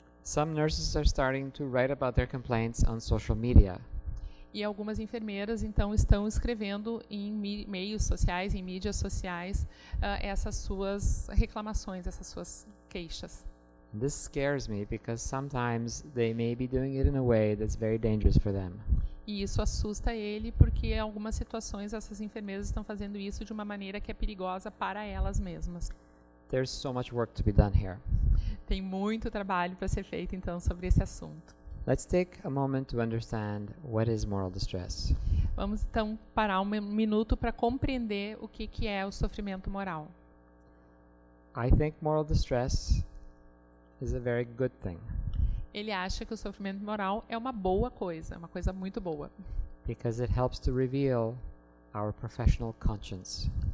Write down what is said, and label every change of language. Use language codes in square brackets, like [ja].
[en] Some nurses are starting to write about their complaints on social media. [pt] E algumas enfermeiras, então, estão escrevendo em meios sociais, em mídias sociais, essas suas reclamações, essas suas queixas. [en] This scares me because sometimes they may be doing it in a way that's very dangerous for them. [pt] E isso assusta ele porque em algumas situações essas enfermeiras estão fazendo isso de uma maneira que é perigosa para elas mesmas. [en] There's so much work to be done here. [pt] Tem muito trabalho para ser feito, então, sobre esse assunto. [en] Let's take a moment to understand what is moral distress. [pt] Vamos então parar um minuto para compreender o que é o sofrimento moral. [en] I think moral distress is a very good thing. [pt] Ele acha que o sofrimento moral é uma boa coisa, uma coisa muito boa. [en] Because it helps to reveal our professional conscience.